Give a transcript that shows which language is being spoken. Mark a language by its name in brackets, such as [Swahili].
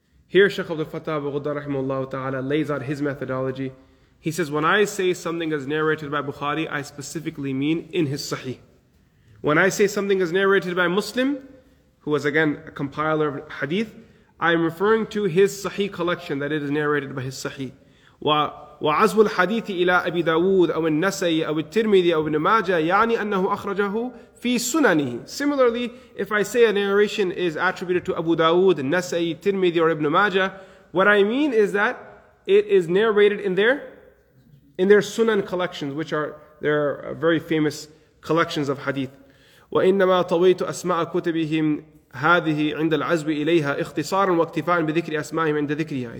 [English] Here, Shaykh Abdul Fattah Bughda rahimahullah ta'ala lays out his methodology. He says, when I say something is narrated by Bukhari, I specifically mean in his Sahih. When I say something is narrated by Muslim, who was again a compiler of hadith, I'm referring to his Sahih collection, that it is narrated by his Sahih. [Arabic] وعزو الحديث إلى أبي داود أو النسائي أو الترمذي أو ابن ماجه يعني أنه أخرجه في سننه. [English] Similarly, if I say a narration is attributed to Abu Dawood, Nasa'i, Tirmidhi, or Ibn Majah, what I mean is that it is narrated in their Sunan collections, which are their very famous collections of hadith. [Arabic] وَإِنَّمَا طَوَيْتُ أَسْمَاءَ كُتَبِهِمْ هَذِهِ عِنْدَ الْعَزْوِ إِلَيْهَا اِخْتِصَارًا وَاكْتِفَاءً بِذِكْرِ أَسْمَاءِهِمْ عِنْدَ ذِكْرِهَا.